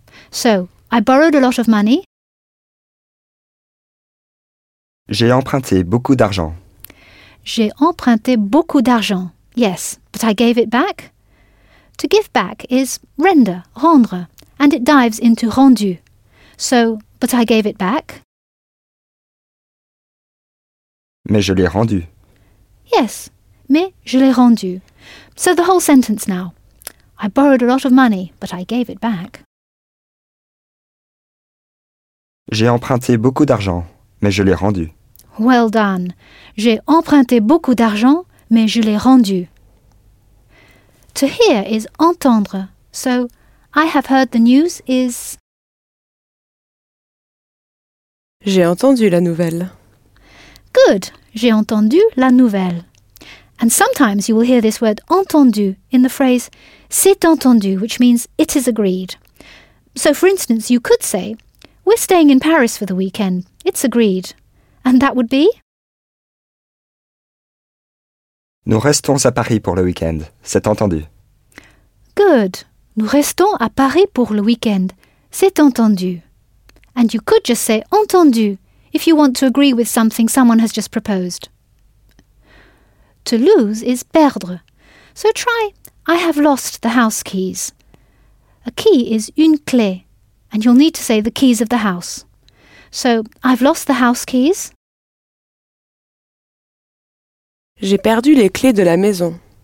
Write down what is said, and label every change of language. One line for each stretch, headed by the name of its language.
English: So, I borrowed a lot of money.
French: J'ai emprunté beaucoup d'argent. J'ai emprunté beaucoup d'argent,
English: yes, but I gave it back. To give back is render, rendre, and it dives into rendu. So, but I gave it back.
French: Mais je l'ai rendu. Yes, mais je l'ai rendu.
English: So the whole sentence now. I borrowed a lot of money, but I gave it back.
French: J'ai emprunté beaucoup d'argent, mais je l'ai rendu.
English: Well done.
French: J'ai emprunté beaucoup d'argent, mais je l'ai rendu.
English: To hear is entendre. So, I have heard the news is...
French: J'ai entendu la nouvelle. Good, j'ai entendu la nouvelle.
English: And sometimes you will hear this word entendu in the phrase
French: c'est entendu,
English: which means it is agreed. So for instance, you could say, we're staying in Paris for the weekend, it's agreed. And that would be?
French: Nous restons à Paris pour le week-end, c'est entendu. Good, nous restons à Paris pour le week-end, c'est entendu.
English: And you could just say entendu. If you want to agree with something someone has just proposed. To lose is perdre. So try, I have lost the house keys. A key is
French: une clé,
English: and you'll need to say the keys of the house. So, I've lost the house keys.
French: J'ai perdu les clés de la maison.